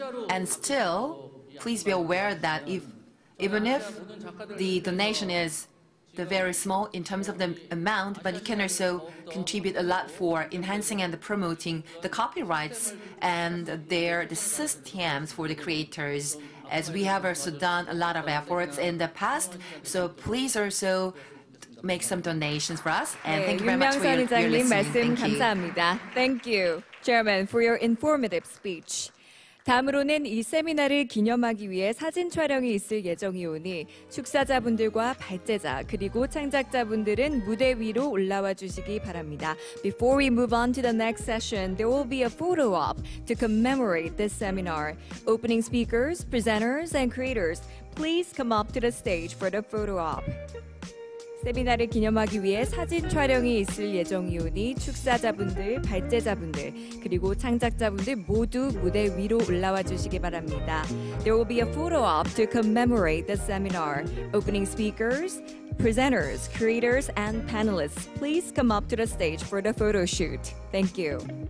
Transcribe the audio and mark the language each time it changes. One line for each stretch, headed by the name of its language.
English: And still, please be aware that even if the donation is the very small in terms of the amount, but you can also contribute a lot for enhancing and promoting the copyrights and the systems for the creators, as we have also done a lot of efforts in the past. So please also make some donations for us. And thank you very much for your listening. Thank you. Thank you, Chairman, for your informative speech.
Korean: 다음으로는 이 세미나를 기념하기 위해 사진 촬영이 있을 예정이 오니 축사자분들과 발제자 그리고 창작자분들은 무대 위로 올라와 주시기 바랍니다.
English: Before we move on to the next session, there will be a photo op to commemorate this seminar. Opening speakers, presenters, and creators, please come up to the stage for the photo op.
Korean: 세미나를 기념하기 위해 사진 촬영이 있을 예정이오니 축사자분들, 발제자분들, 그리고 창작자분들 모두 무대 위로 올라와 주시기 바랍니다.
English: There will be a photo op to commemorate the seminar. Opening speakers, presenters, creators, and panelists, please come up to the stage for the photo shoot. Thank you.